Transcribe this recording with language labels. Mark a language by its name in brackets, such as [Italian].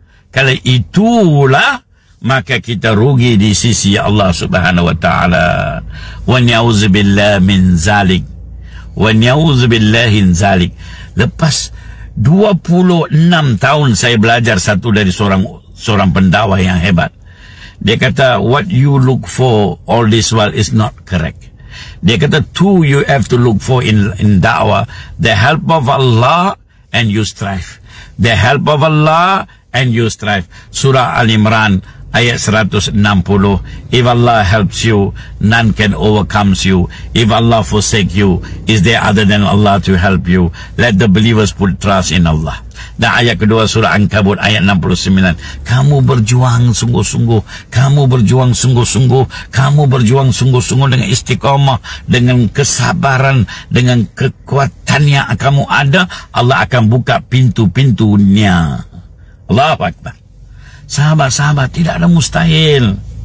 [Malay] Kalau itulah, maka kita rugi di sisi Allah Subhanahu Wa Taala. [Arabic] Wa na'udzu billahi min zalik. Wa na'udzu billahi min zalik. [Malay] Lepas 26 tahun saya belajar satu dari seorang pendakwah yang hebat. Dia kata, [English] what you look for all this while is not correct. [Malay] Dia kata, [English] two you have to look for in dakwah. The help of Allah and you strive. The help of Allah and you strive. Surah Al-Imran ayat 160. If Allah helps you, none can overcome you. If Allah forsake you, is there other than Allah to help you? Let the believers put trust in Allah. [Malay] Dan ayat kedua surah Ankabut ayat 69. Kamu berjuang sungguh-sungguh. Kamu berjuang sungguh-sungguh. Kamu berjuang sungguh-sungguh dengan istiqamah, dengan kesabaran, dengan kekuatan yang kamu ada. Allah akan buka pintu-pintunya. [Arabic] Allahu Akbar. [Malay] Sahabat-sahabat, tidak ada mustahil.